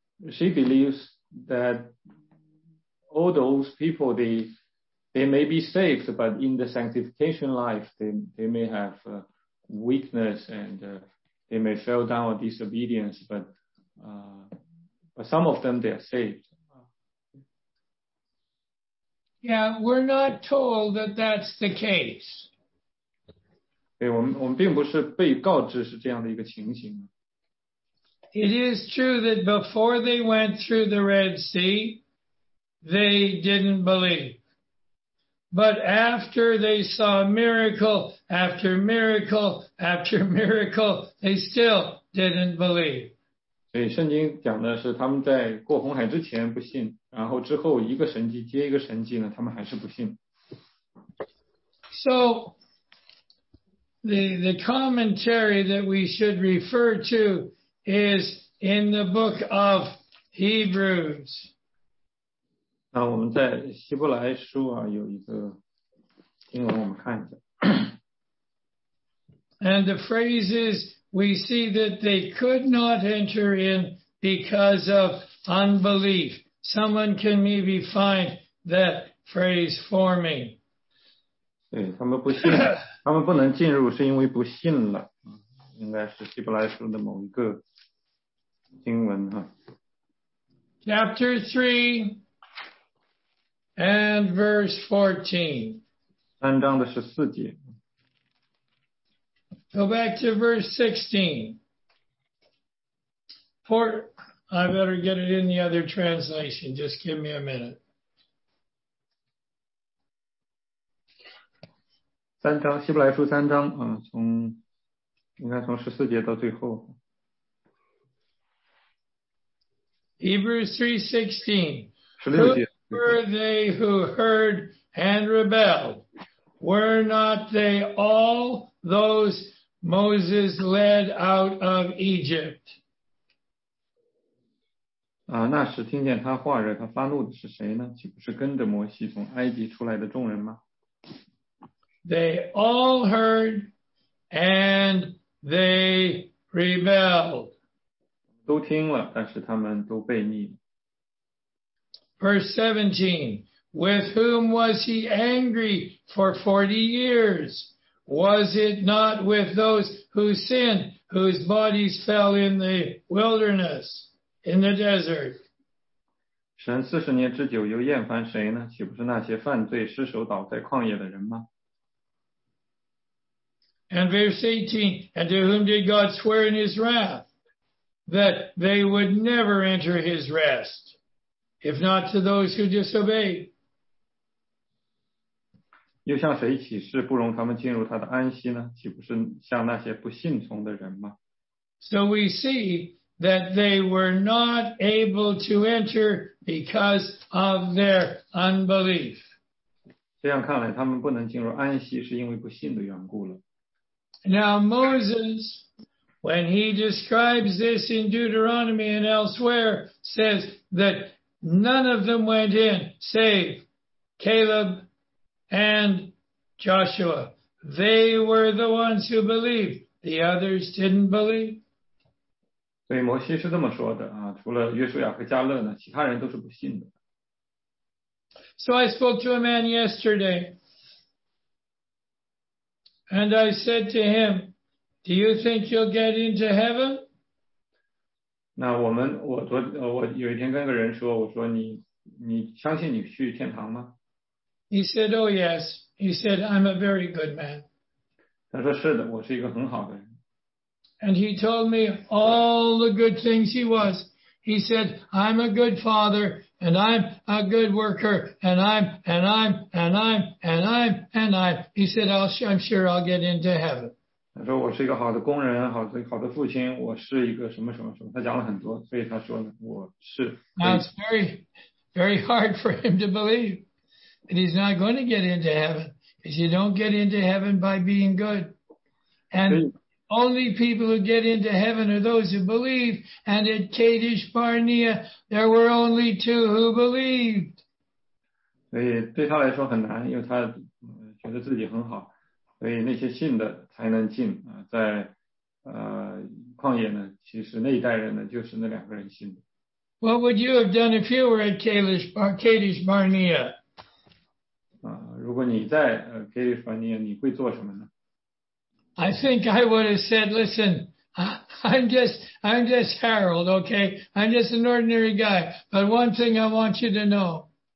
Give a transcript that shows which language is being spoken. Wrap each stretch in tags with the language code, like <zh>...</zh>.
<en>She believes that all those people, they may be saved, but in the sanctification life, they may have weakness and they may fell down with disobedience, but some of them, they are saved. Yeah, we're not told that that's the case.</en> <zh>对，我们并不是被告知是这样的一个情形。</zh> <en>It is true that before they went through the Red Sea, they didn't believe. But after they saw miracle after miracle after miracle, they still didn't believe.</en> <zh>所以圣经讲的是他们在过红海之前不信。然后之后一个神迹接一个神迹呢，他们还是不信。</zh> <en>So, the commentary that we should refer to is in the book of Hebrews.</en> <zh>那我们在希伯来书啊有一个经文，我们看一下。</zh> <en>And the phrases we see that they could not enter in because of unbelief. Someone can maybe find that phrase for me.</en> <zh>对，他们不信，他们不能进入是因为不信了，应该是希伯来书的某一个经文哈。</zh> <en>Chapter 3 and verse 14.</en> <zh>三章的十四节。</zh> <en>Go back to verse 16. I better get it in the other translation. Just give me a minute.</en> <zh>三章，希伯来书三章，从，应该从十四节到最后。</zh> <en>Hebrews 3:16. Who were they who heard and rebelled? Were not they all those Moses led out of Egypt?</en> <zh>那时听见他话惹他发怒的是谁呢？岂不是跟着摩西从埃及出来的众人吗？</zh> <en>They all heard and they rebelled.</en> <zh>都听了，但是他们都悖逆了。</zh> <en>Verse 17, with whom was he angry for 40 years? Was it not with those who sinned, whose bodies fell in the wilderness? In the desert.</en> <zh>神四十年之久又厌烦谁呢？岂不是那些犯罪失手倒在旷野的人吗？</zh> <en>And verse 18, and to whom did God swear in his wrath that they would never enter his rest, if not to those who disobeyed?</en> <zh>又向谁起誓不容他们进入他的安息呢？岂不是向那些不信从的人吗？</zh> <en>So we see,that they were not able to enter because of their unbelief.</en> <zh>这样看来他们不能进入安息是因为不信的缘故了。</zh> <en>Now Moses, when he describes this in Deuteronomy and elsewhere, says that none of them went in save Caleb and Joshua. They were the ones who believed. The others didn't believe.</en> <zh>所以摩西是这么说的啊，除了约书亚和加勒呢，其他人都是不信的。</zh> <en>So I spoke to a man yesterday, and I said to him, "Do you think you'll get into heaven?"</en> <zh>那我有一天跟个人说，我说你相信你去天堂吗？</zh> <en>He said, "Oh yes." He said, "I'm a very good man."</en> <zh>他说是的，我是一个很好的人。</zh> <en>And he told me all the good things he was. He said, "I'm a good father." And I'm a good worker, and I'm, and I'm, and I'm, and I'm, and I'm. He said, I'm sure I'll get into heaven.</en> <zh>他说我是一个好的工人，好的父亲，我是一个什么什么什么。他讲了很多，所以他说呢，我是。</zh> <en>Now it's very, very hard for him to believe that he's not going to get into heaven, because you don't get into heaven by being good. And only people who get into heaven are those who believe. And at Kadesh Barnea, there were only two who believed.</en> <zh>所以对他来说很难，因为他觉得自己很好，所以那些信的才能进啊。在旷野呢，其实那一代人呢，就是那两个人信的。</zh> <en>What would you have done if you were at Kadesh Barnea?</en> <zh>如果你在Kadesh Barnea，你会做什么呢？</zh> <en>I think I would have said, listen, I'm just Harold, okay? I'm just an ordinary guy. But one thing I want you to know.</en>